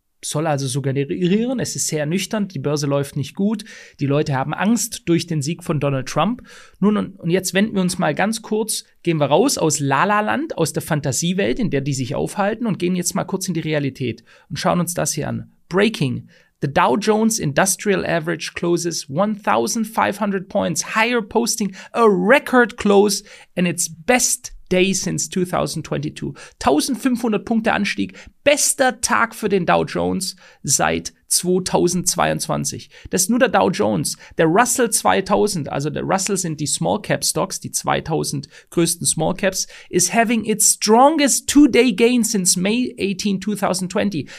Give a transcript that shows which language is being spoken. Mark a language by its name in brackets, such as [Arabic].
[German] Soll also suggerieren, es ist sehr ernüchternd, die Börse läuft nicht gut, die Leute haben Angst durch den Sieg von Donald Trump. Nun, und jetzt wenden wir uns mal ganz kurz, gehen wir raus aus Lala-Land, aus der Fantasiewelt, in der die sich aufhalten, und gehen jetzt mal kurz in die Realität und schauen uns das hier an. [English] Breaking: The Dow Jones Industrial Average closes 1,500 points higher, posting a record close and its best Day since 2022. [German] 1500 Punkte Anstieg, bester Tag für den Dow Jones seit 2022. Das ist nur der Dow Jones. Der Russell 2000, also der Russell sind die Small Cap Stocks, die 2000 größten Small Caps, [English] is having its strongest 2-day gain since May 18, 2020.